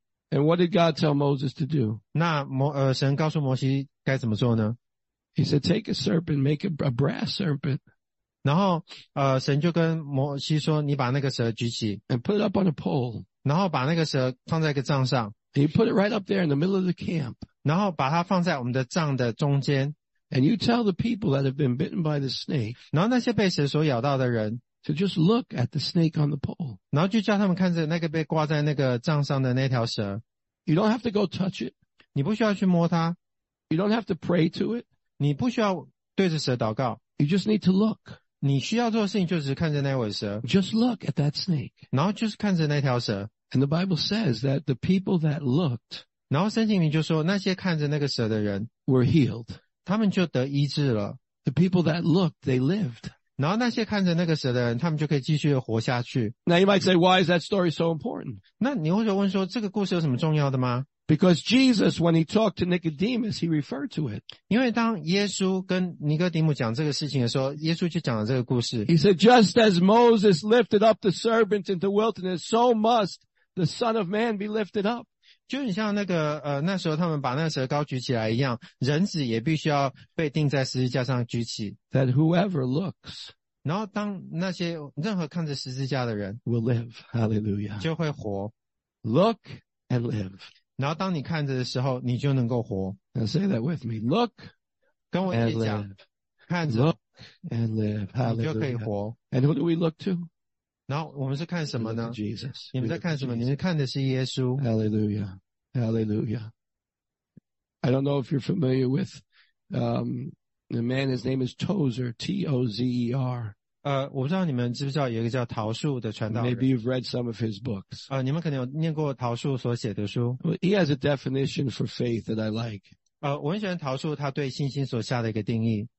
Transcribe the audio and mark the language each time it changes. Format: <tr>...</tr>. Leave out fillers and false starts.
<en>and what did God tell Moses to do?</en> <zh>神告诉摩西该怎么做呢?</zh> <en>He said, take a serpent, make a brass serpent.</en> <zh>然后, 神就跟摩西说, 你把那个蛇举起,</zh> <en>and put it up on a pole.</en> <zh>然后把那个蛇放在一个帐上,</zh> <en>and you put it right up there in the middle of the camp.</en> <zh>然后把它放在我们的帐的中间,</zh> <en>and you tell the people that have been bitten by the snake,</en> <zh>然后那些被蛇所咬到的人,</zh> <en>to just look at the snake on the pole.</en> <zh>然后就叫他们看着那个被挂在那个帐上的那条蛇,</zh> <en>you don't have to go touch it.</en> <zh>你不需要去摸它,</zh> <en>you don't have to pray to it.</en> <zh>你不需要对着蛇祷告,</zh> <en>you just need to look.</en> <zh>你需要做的事情就是看着那尾蛇,</zh> <en>just look at that snake.</en> <zh>然后就是看着那条蛇,</zh> <en>and the Bible says that the people that looked,</en> <zh>然后圣经里就说, 那些看着那个蛇的人,</zh> <en>were healed.</en> <zh>他们就得医治了,</zh> <en>the people that looked, they lived.</en> <zh>然后那些看着那个蛇的人, 他们就可以继续活下去。</zh> <en>Now you might say, why is that story so important?</en> <zh>那你会问说, 这个故事有什么重要的吗?</zh> <en>Because Jesus, when he talked to Nicodemus, he referred to it.</en> <zh>因为当耶稣跟尼哥底母讲这个事情的时候, 耶稣就讲了这个故事。</zh> <en>He said, just as Moses lifted up the serpent into wilderness, so must the Son of Man be lifted up.</en> <zh>就很像那个, 那时候他们把那个蛇高举起来一样, 人子也必须要被钉在十字架上举起。</zh> <en>That whoever looks,</en> <zh>然后当那些任何看着十字架的人,</zh> <en>will live, hallelujah.</en> <zh>就会活。</zh> <en>Look and live.</en> <zh>然后当你看着的时候, 你就能够活。</zh> <en>Now say that with me. Look and live.</en> <zh>看着,</zh> <en>look and live. Hallelujah.</en> <zh>你就可以活。</zh> <en>And who do we look to?</en> <zh>然后我们是看什么呢?</zh> <en>Jesus.</en> <zh>你们在看什么?你们看的是耶稣。</zh> <en>Hallelujah. Hallelujah. I don't know if you're familiar with the man, his name is Tozer, T-O-Z-E-R.</en> <zh>我不知道你们知不知道有一个叫陶树的传道人。</zh> <en>Maybe you've read some of his books.</en> <zh>你们可能有念过陶树所写的书。</zh> <en>Well, he has a definition for faith that I like.</en> <zh>我很喜欢陶树他对信心所下的一个定义。</zh>